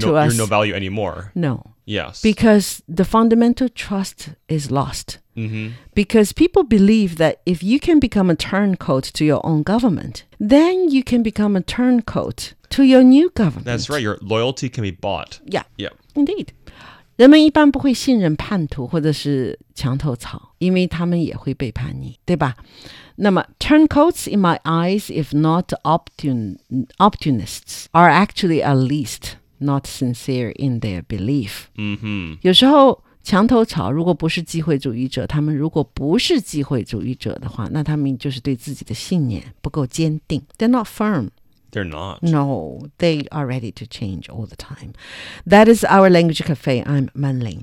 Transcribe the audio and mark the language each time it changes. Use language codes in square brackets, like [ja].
[en] to us. You're no value anymore. No. Yes. Because the fundamental trust is lost. Mm-hmm. Because people believe that if you can become a turncoat to your own government, then you can become a turncoat to your new government. That's right. Your loyalty can be bought. Yeah. Yeah. Indeed. [zh] 人们一般不会信任叛徒或者是墙头草，因为他们也会背叛你，对吧？那么 [en] turncoats in my eyes, if not opportunists, are actually at least not sincere in their belief. 嗯哼， [zh] 有时候墙头草如果不是机会主义者，他们如果不是机会主义者的话，那他们就是对自己的信念不够坚定。 [en] They're not firm. They're not. No, they are ready to change all the time. That is our language cafe. I'm Manling.